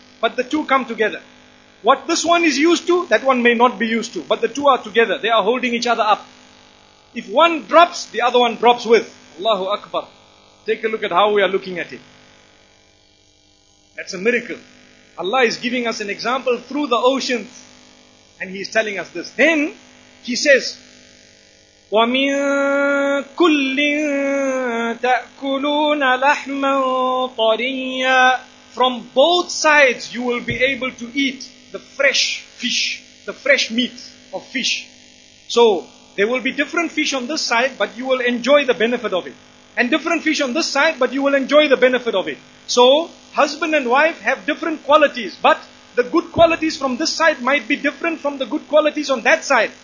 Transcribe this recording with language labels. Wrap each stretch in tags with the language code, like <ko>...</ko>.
<en>But the two come together. What this one is used to, that one may not be used to. But the two are together. They are holding each other up. If one drops, the other one drops with. Allahu Akbar. Take a look at how we are looking at it. That's a miracle. Allah is giving us an example through the oceans. And He is telling us this. Then, He says,</en> <ar>وَمِن كُلِّن تَأْكُلُونَ لَحْمًا طَرِيًّا.</ar> <en>From both sides you will be able to eat the fresh fish, the fresh meat of fish. So there will be different fish on this side, but you will enjoy the benefit of it. And different fish on this side, but you will enjoy the benefit of it. So husband and wife have different qualities, but the good qualities from this side might be different from the good qualities on that side.</en>